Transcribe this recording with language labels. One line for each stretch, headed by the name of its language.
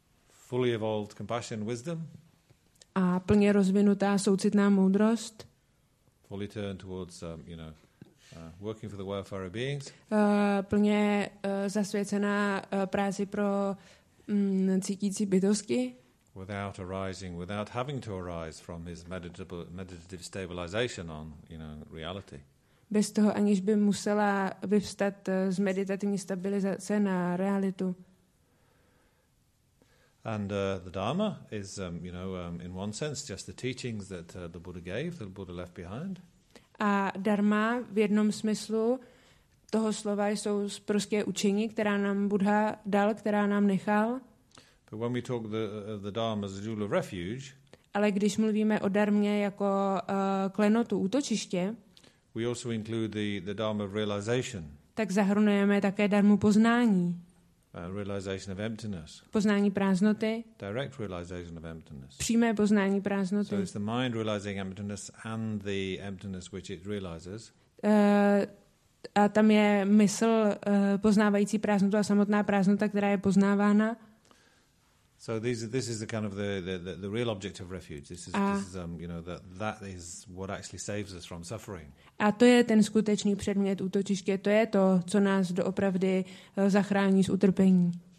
English: Fully evolved compassion, wisdom.
Czech: A plně rozvinutá soucitná moudrost.
English: Fully turned towards, you know, Working for the welfare of beings.
Czech: Plně zasvěcená práci pro cítící bytosti.
English: Without arising, without having to arise from his meditative stabilization on, you know, reality.
Czech: Bez toho, aniž by musela vyvstat z meditativní stabilizace na realitu.
English: And the Dharma is, you know, in one sense, just the teachings that the Buddha gave, that the Buddha left behind.
Czech: A dharma v jednom smyslu toho slova jsou prostě učení, která nám Buddha dal, která nám nechal.
English: But when we talk the Dharma as a jewel of refuge,
Czech: ale když mluvíme o dharmě jako klenotu, útočiště,
English: we also include the Dharma of realization.
Czech: Tak zahrnujeme také dharmu poznání.
English: Realization of emptiness.
Czech: Poznání prázdnoty.
English: Direct realization of emptiness.
Czech: Přímé poznání prázdnoty.
English: So it's the mind realizing emptiness and the emptiness which it realizes.
Czech: A tam je mysl poznávající prázdnotu a samotná prázdnota, která je poznávána.
English: So this is the kind of the real object of refuge. This is you know, that is what actually saves us from suffering.
Czech: A to je ten skutečný předmět útočiště, to je to, co nás doopravdy zachrání z utrpení.